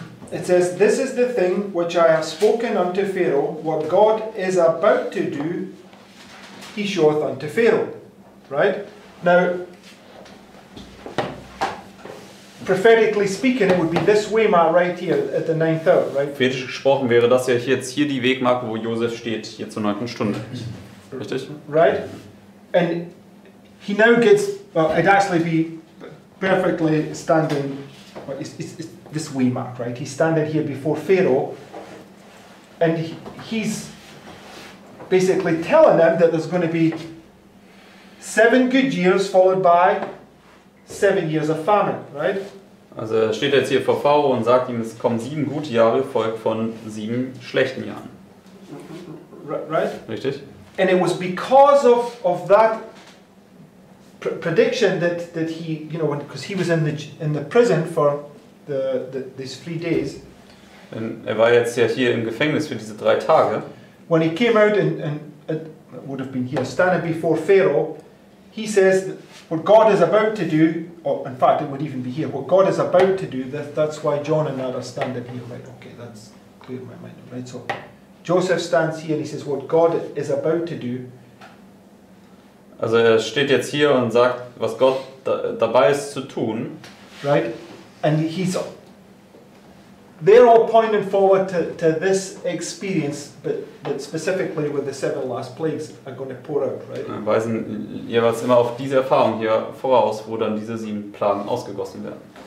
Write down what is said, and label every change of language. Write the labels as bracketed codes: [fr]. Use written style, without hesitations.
[en] It says, this is the thing which I have spoken unto Pharaoh, what God is about to do, he showeth unto Pharaoh. Right? Now, prophetically speaking, it would be this way mark right here at the ninth hour, right? [de] Prophetisch gesprochen wäre das ja jetzt hier die Wegmarke, wo Joseph steht, hier zur neunten Stunde. Richtig? [en] Right? And he now gets, well, it'd actually be perfectly standing, but it's this way mark, right? He's standing here before Pharaoh and he's basically telling them that there's going to be 7 good years followed by 7 years of famine, right? [de] Also er steht jetzt hier vor Pharaoh und sagt ihm, es kommen 7 gute Jahre, folgt von 7 schlechten Jahren. [en] Right? [de] Richtig. [en] And it was because of that prediction that he, you know, because he was in the prison for these 3 days. [de] Und er war jetzt ja hier im Gefängnis für diese 3 Tage. [en] When he came out and would have been here standing before Pharaoh, he says that what God is about to do, or in fact it would even be here, what God is about to do, that's why John and Nada stand up here, right? Okay, that's clear in my mind, right? So Joseph stands here and he says what God is about to do. [de] Also er steht jetzt hier und sagt, was Gott dabei ist zu tun. [en] Right? And they're all pointing forward to this experience, but that specifically with the 7 last plagues are going to pour out, right? [de] Wir weisen jeweils immer auf diese Erfahrung hier voraus, wo dann diese 7 Plagen ausgegossen werden.